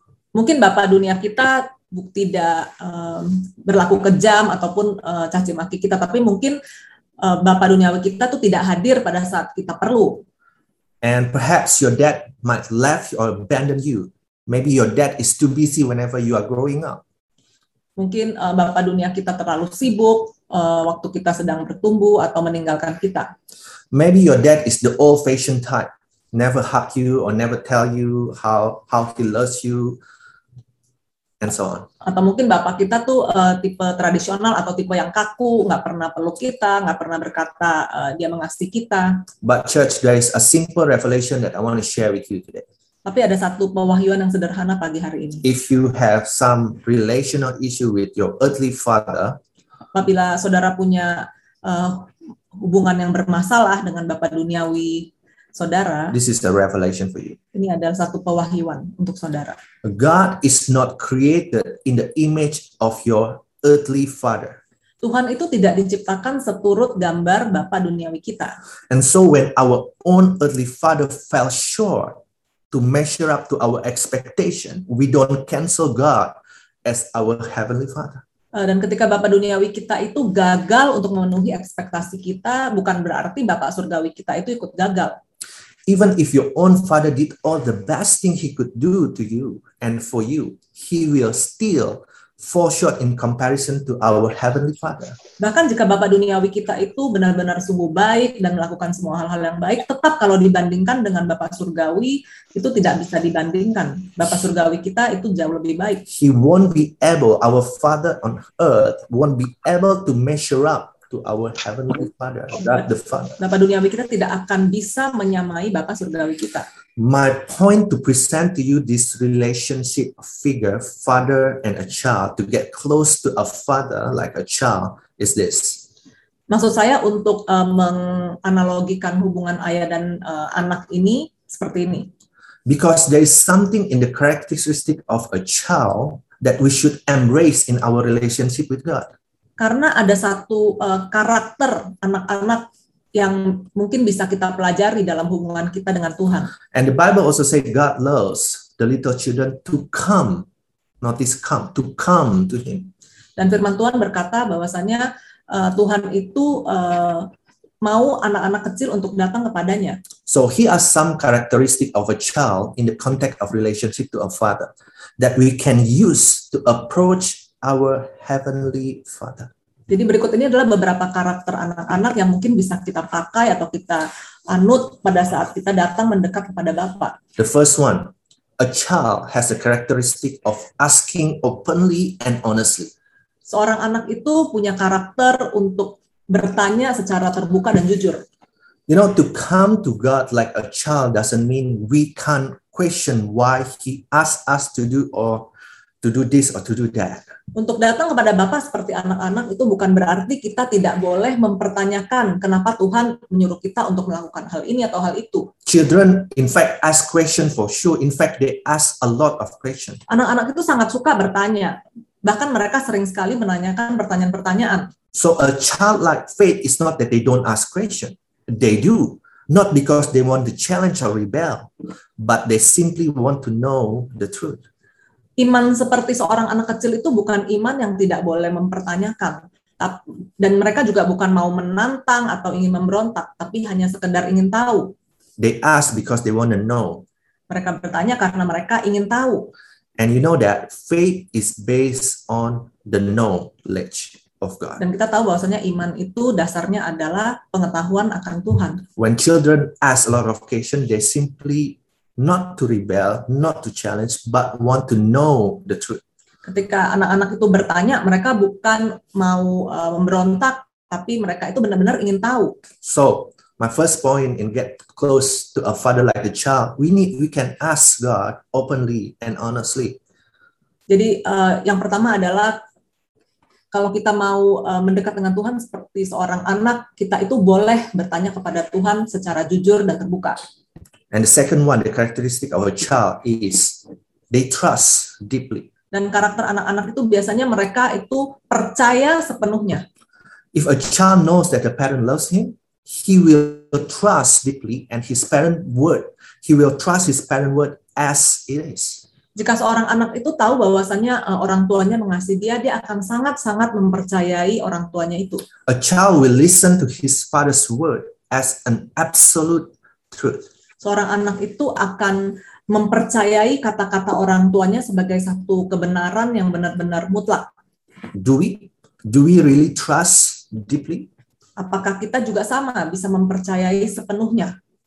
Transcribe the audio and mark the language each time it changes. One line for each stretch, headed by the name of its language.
Indonesian: Mungkin bapa dunia kita tidak berlaku kejam ataupun caci maki kita, tapi mungkin bapa duniawi kita tuh tidak hadir pada saat kita perlu.
English: And perhaps your dad might left or abandon you Maybe your dad is too busy whenever you are growing up.
Indonesian: Mungkin bapak dunia kita terlalu sibuk waktu kita sedang bertumbuh atau meninggalkan kita.
English: Maybe your dad is the old fashioned type. Never hug you or never tell you how he loves you and so on.
Indonesian: Atau mungkin bapak kita tuh tipe tradisional atau tipe yang kaku, enggak pernah peluk kita, enggak pernah berkata dia mengasihi kita.
English: But church, there is a simple revelation that I want to share with you today.
Indonesian: Tapi ada satu pewahyuan yang sederhana pagi hari ini.
English: If you have some relational issue with your earthly father,
Indonesian: apabila saudara punya hubungan yang bermasalah dengan bapak duniawi saudara,
English: this is the revelation for you.
Indonesian: Ini adalah satu pewahyuan untuk saudara.
English: God is not created in the image of your earthly father.
Indonesian: Tuhan itu tidak diciptakan seturut gambar bapak duniawi kita.
English: And so when our own earthly father fell short to measure up to our expectation, we don't cancel God as our heavenly father.
Indonesian: Dan ketika bapak duniawi kita itu gagal untuk memenuhi ekspektasi kita, bukan berarti bapak surgawi kita itu ikut gagal.
English: Even if your own father did all the best thing he could do to you and for you, he will still fall short in comparison to our heavenly father.
Indonesian: Bahkan jika bapak duniawi kita itu benar-benar sungguh baik dan melakukan semua hal-hal yang baik, tetap kalau dibandingkan dengan bapak surgawi, itu tidak bisa dibandingkan. Bapak surgawi kita itu jauh lebih baik.
English: He won't be able, our father on earth won't be able to measure up to our heavenly father, God the Father.
Indonesian: Bapak duniawi kita tidak akan bisa menyamai bapak surgawi kita.
English: My point to present to you this relationship figure, father and a child, to get close to a father like a child, is this.
Indonesian: Maksud saya untuk menganalogikan hubungan ayah dan anak ini seperti ini.
English: Because there is something in the characteristic of a child that we should embrace in our relationship with God.
Indonesian: Karena ada satu karakter anak-anak yang mungkin bisa kita pelajari dalam hubungan kita dengan Tuhan.
English: And the Bible also says God loves the little children to come, not this come, to come to Him.
Indonesian: Dan firman Tuhan berkata bahwasannya Tuhan itu mau anak-anak kecil untuk datang kepadanya.
English: So he has some characteristic of a child in the context of relationship to a father that we can use to approach our heavenly father.
Indonesian: Jadi berikut ini adalah beberapa karakter anak-anak yang mungkin bisa kita pakai atau kita anut pada saat kita datang mendekat kepada Bapa.
English: The first one, a child has a characteristic of asking openly and honestly.
Indonesian: Seorang anak itu punya karakter untuk bertanya secara terbuka dan jujur.
English: You know, to come to God like a child doesn't mean we can't question why He asks us to do or to do this or to do that.
Indonesian: Untuk datang kepada Bapa seperti anak-anak itu bukan berarti kita tidak boleh mempertanyakan kenapa Tuhan menyuruh kita untuk melakukan hal ini atau hal itu.
English: Children, in fact, ask question for sure. In fact, they ask a lot of question.
Indonesian: Anak-anak itu sangat suka bertanya. Bahkan mereka sering sekali menanyakan pertanyaan-pertanyaan.
English: So a childlike faith is not that they don't ask question. They do. Not because they want to challenge or rebel, but they simply want to know the truth.
Indonesian: Iman seperti seorang anak kecil itu bukan iman yang tidak boleh mempertanyakan. Dan mereka juga bukan mau menantang atau ingin memberontak, tapi hanya sekedar ingin tahu.
English: They ask because they want to know.
Indonesian: Mereka bertanya karena mereka ingin tahu.
English: And you know that faith is based on the knowledge of God.
Indonesian: Dan kita tahu bahwasanya iman itu dasarnya adalah pengetahuan akan Tuhan.
English: When children ask a lot of questions, they simply not to rebel, not to challenge, but want to know the truth.
Indonesian: Ketika anak-anak itu bertanya, mereka bukan mau memberontak, tapi mereka itu benar-benar ingin tahu.
English: So, my first point in get close to a father like a child, we can ask God openly and honestly.
Indonesian: Jadi, yang pertama adalah kalau kita mau mendekat dengan Tuhan seperti seorang anak, kita itu boleh bertanya kepada Tuhan secara jujur dan terbuka.
English: And the second one, the characteristic of a child is they trust deeply.
Indonesian: Dan karakter anak-anak itu biasanya mereka itu percaya sepenuhnya.
English: If a child knows that a parent loves him, he will trust deeply and his parent word. He will trust his parent word as it is.
Indonesian: Jika seorang anak itu tahu bahwasannya orang tuanya mengasihi dia, dia akan sangat-sangat mempercayai orang tuanya itu.
English: A child will listen to his father's word as an absolute truth.
Indonesian: Seorang anak itu akan mempercayai kata-kata orang tuanya sebagai satu kebenaran yang benar-benar mutlak.
English: Do we really trust deeply?
Indonesian: Apakah kita juga sama bisa mempercayai sepenuhnya?